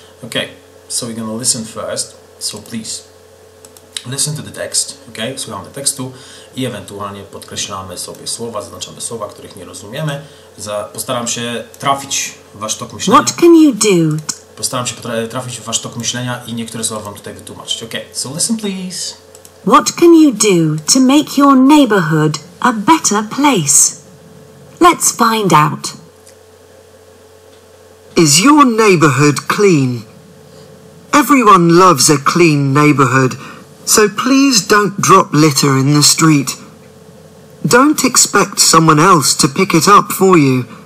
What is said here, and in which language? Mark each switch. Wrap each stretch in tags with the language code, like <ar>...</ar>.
<en>Ok, so we're gonna listen first, so please. Listen to the text, ok?</en> <pl>Słuchamy tekstu i ewentualnie podkreślamy sobie słowa, zaznaczamy słowa, których nie rozumiemy. Postaram się trafić w wasz tok myślenia.</pl> <en>What can you do?</en> <pl>Postaram się trafić w wasz tok myślenia i niektóre słowa wam tutaj wytłumaczyć.</pl> <en>Ok, so listen please. What can you do to make your neighborhood a better place? Let's find out. Is your neighborhood clean? Everyone loves a clean neighborhood. So please don't drop litter in the street. Don't expect someone else to pick it up for you.</en>